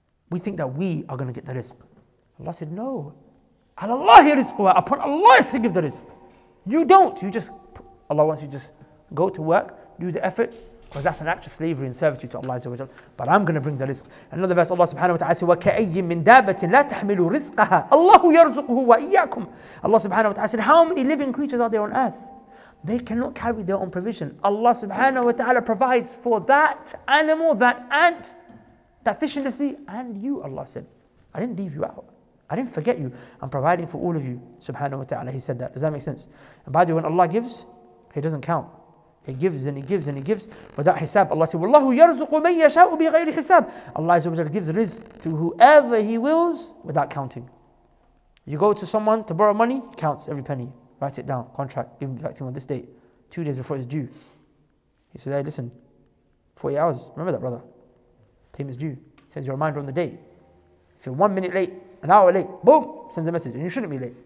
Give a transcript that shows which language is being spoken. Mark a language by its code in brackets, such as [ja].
[en] We think that we are going to get the rizq. Allah said, no. Alallahi rizqwa. Upon Allah is to give the rizq. You don't. You just, Allah wants you to just go to work, do the efforts. Because that's an act of slavery and servitude to Allah. But I'm going to bring the rizq. Another verse, Allah subhanahu wa ta'ala said, [ar] وَكَأَيِّمْ مِنْ دَابَةٍ لَا تَحْمِلُ رِزْقَهَا اللَّهُ يَرْزُقُهُ وَإِيَّاكُمْ. [en] Allah subhanahu wa ta'ala said, how many living creatures are there on earth? They cannot carry their own provision. Allah subhanahu wa ta'ala provides for that animal, that ant, that fish in the sea, and you, Allah said. I didn't leave you out. I didn't forget you. I'm providing for all of you, subhanahu wa ta'ala. He said that. Does that make sense? And by the way, when Allah gives, He doesn't count. He gives and He gives and He gives without hisab. Allah said, [ar] وَاللَّهُ يَرْزُقُ مَنْ يَشَاءُ بِغَيْرِ حِسَابٍ. [en] Allah عز وجل gives rizq to whoever He wills without counting. You go to someone to borrow money, He counts every penny. Write it down, contract, give it back to him on this date, 2 days before it's due. He said, hey, listen, 48 hours, remember that, brother. Payment's due. Sends you a reminder on the date. If you're 1 minute late, an hour late, boom, sends a message. And you shouldn't be late.